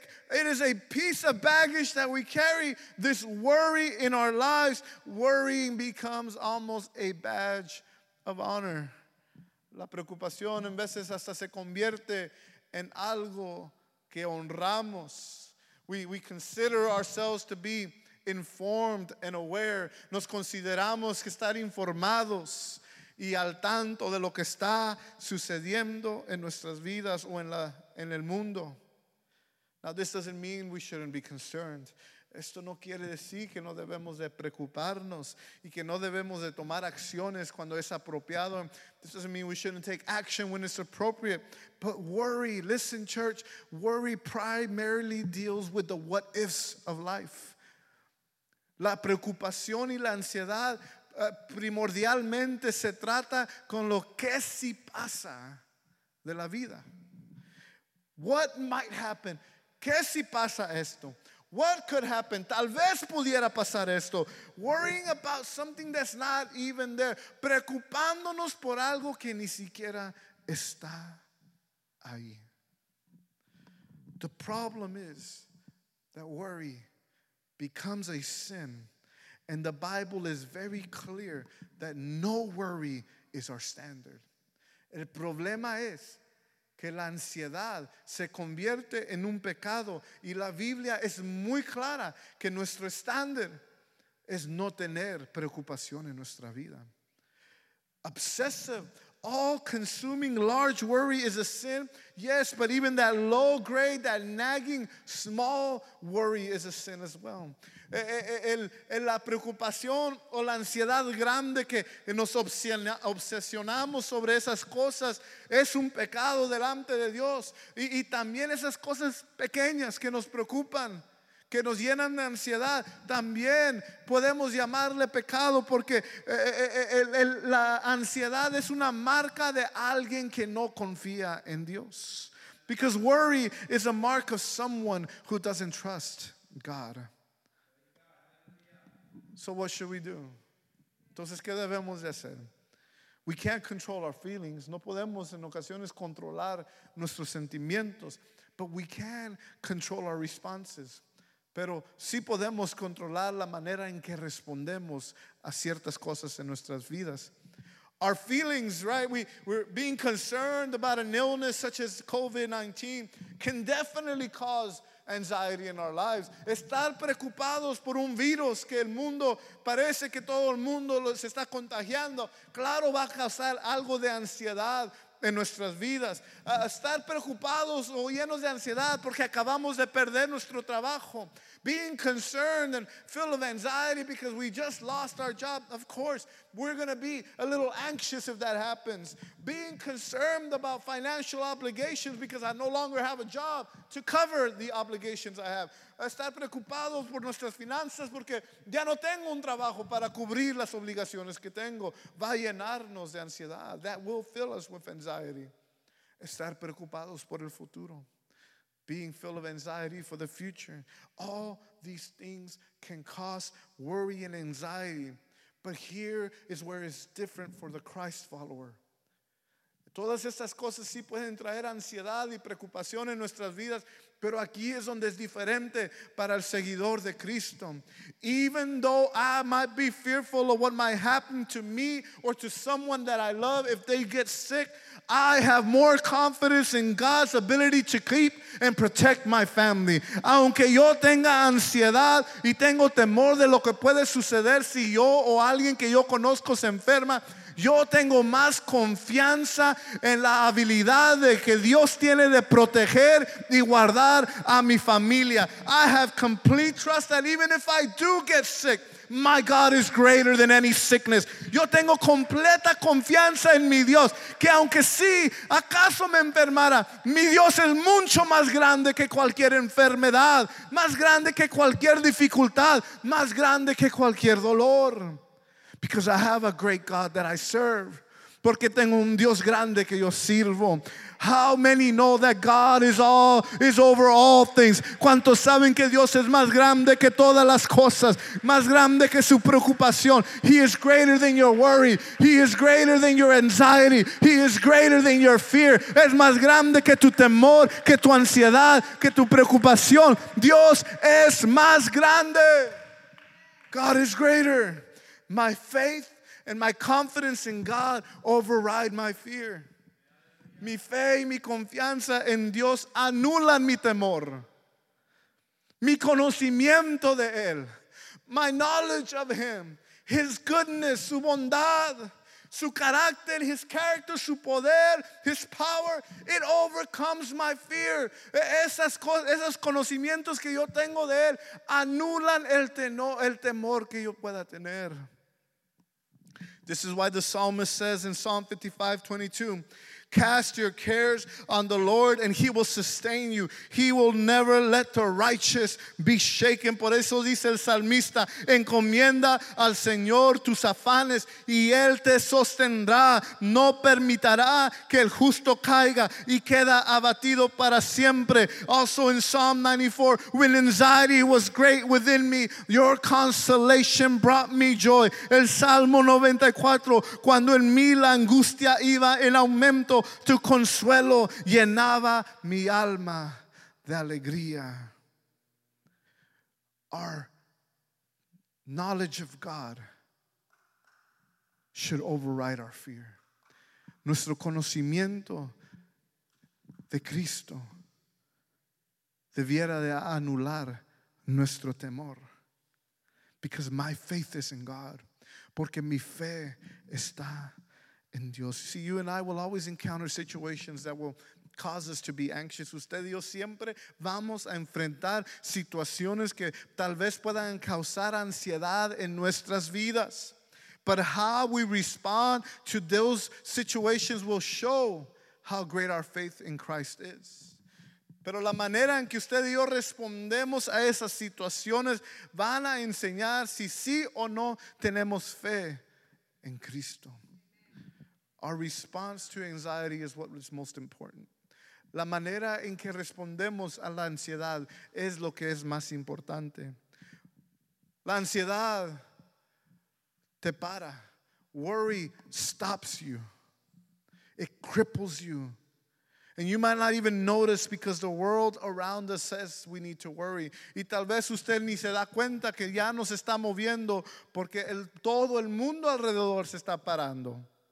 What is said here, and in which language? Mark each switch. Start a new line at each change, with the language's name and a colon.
English: It is a piece of baggage that we carry, this worry in our lives. Worrying becomes almost a badge of honor.
Spanish: La preocupación en veces hasta se convierte en algo que honramos.
English: We consider ourselves to be informed and aware.
Spanish: Nos consideramos que estar informados y al tanto de lo que está sucediendo en nuestras vidas o en el mundo.
English: Now this doesn't mean we shouldn't be concerned.
Spanish: Esto no quiere decir que no debemos de preocuparnos y que no debemos de tomar acciones cuando es apropiado.
English: This doesn't mean we shouldn't take action when it's appropriate. But worry, listen church, worry primarily deals with the what ifs of life.
Spanish: La preocupación y la ansiedad primordialmente se trata con lo que si pasa de la vida.
English: What might happen?
Spanish: ¿Qué si pasa esto?
English: What could happen?
Spanish: Tal vez pudiera pasar esto.
English: Worrying about something that's not even there.
Spanish: Preocupándonos por algo que ni siquiera está ahí.
English: The problem is that worry becomes a sin. And the Bible is very clear that no worry is our standard.
Spanish: El problema es que la ansiedad se convierte en un pecado y la Biblia es muy clara que nuestro estándar es no tener preocupación en nuestra vida.
English: Obsessive, all-consuming, large worry is a sin. Yes, but even that low-grade, that nagging, small worry is a sin as well.
Spanish: La preocupación o la ansiedad grande que nos obsesionamos sobre esas cosas es un pecado delante de Dios. Y también esas cosas pequeñas que nos preocupan, que nos llenan de ansiedad, también podemos llamarle pecado porque la ansiedad es una marca de alguien que no confía en Dios.
English: Because worry is a mark of someone who doesn't trust God. So what should we do?
Spanish: Entonces, ¿qué debemos de hacer?
English: We can't control our feelings.
Spanish: No podemos en ocasiones controlar nuestros sentimientos.
English: But we can control our responses.
Spanish: Pero sí podemos controlar la manera en que respondemos a ciertas cosas en nuestras vidas.
English: Our feelings, right? We're being concerned about an illness such as COVID-19 can definitely cause anxiety in our lives.
Spanish: Estar preocupados por un virus que el mundo parece que todo el mundo se está contagiando, claro, va a causar algo de ansiedad en nuestras vidas. Estar preocupados o llenos de ansiedad porque acabamos de perder nuestro trabajo.
English: Being concerned and full of anxiety because we just lost our job. Of course, we're going to be a little anxious if that happens. Being concerned about financial obligations because I no longer have a job to cover the obligations I have.
Spanish: Estar preocupados por nuestras finanzas porque ya no tengo un trabajo para cubrir las obligaciones que tengo. Va a llenarnos de ansiedad.
English: That will fill us with anxiety.
Spanish: Estar preocupados por el futuro.
English: Being full of anxiety for the future. All these things can cause worry and anxiety. But here is where it's different for the Christ follower.
Spanish: Todas estas cosas sí pueden traer ansiedad y preocupación en nuestras vidas, pero aquí es donde es diferente para el seguidor de Cristo.
English: Even though I might be fearful of what might happen to me or to someone that I love if they get sick, I have more confidence in God's ability to keep and protect my family.
Spanish: Aunque yo tenga ansiedad y tengo temor de lo que puede suceder si yo o alguien que yo conozco se enferma, yo tengo más confianza en la habilidad de que Dios tiene de proteger y guardar a mi familia.
English: I have complete trust that even if I do get sick, my God is greater than any sickness.
Spanish: Yo tengo completa confianza en mi Dios, que aunque sí, acaso me enfermara, mi Dios es mucho más grande que cualquier enfermedad, más grande que cualquier dificultad, más grande que cualquier dolor.
English: Because I have a great God that I serve.
Spanish: Porque tengo un Dios grande que yo sirvo.
English: How many know that God is over all things?
Spanish: ¿Cuántos saben que Dios es más grande que todas las cosas? Más grande que su preocupación.
English: He is greater than your worry. He is greater than your anxiety. He is greater than your fear.
Spanish: Es más grande que tu temor, que tu ansiedad, que tu preocupación. Dios es más grande.
English: God is greater. My faith and my confidence in God override my fear.
Spanish: Mi fe y mi confianza en Dios anulan mi temor. Mi conocimiento de Él,
English: my knowledge of Him, His goodness,
Spanish: su bondad, su carácter,
English: His character,
Spanish: su poder,
English: His power, it overcomes my fear.
Spanish: Esos conocimientos que yo tengo de Él anulan el temor que yo pueda tener.
English: This is why the psalmist says in Psalm 55:22, cast your cares on the Lord and He will sustain you. He will never let the righteous be shaken.
Spanish: Por eso dice el salmista, encomienda al Señor tus afanes y Él te sostendrá. No permitirá que el justo caiga y queda abatido para siempre.
English: Also in Psalm 94, when anxiety was great within me, your consolation brought me joy.
Spanish: El Salmo 94, cuando en mí la angustia iba en aumento, tu consuelo llenaba mi alma de alegría.
English: Our knowledge of God should override our fear.
Spanish: Nuestro conocimiento de Cristo debiera de anular nuestro temor.
English: Because my faith is in God.
Spanish: Porque mi fe está en Dios.
English: See, you and I will always encounter situations that will cause us to be anxious.
Spanish: Usted y yo siempre vamos a enfrentar situaciones que tal vez puedan causar ansiedad en nuestras vidas.
English: But how we respond to those situations will show how great our faith in Christ is.
Spanish: Pero la manera en que usted y yo respondemos a esas situaciones van a enseñar si sí o no tenemos fe en Cristo.
English: Our response to anxiety is what is most important.
Spanish: La manera en que respondemos a la ansiedad es lo que es más importante. La ansiedad te para.
English: Worry stops you. It cripples you. And you might not even notice because the world around us says we need to worry.
Spanish: Y tal vez usted ni se da cuenta que ya nos está moviendo porque todo el mundo alrededor se está parando.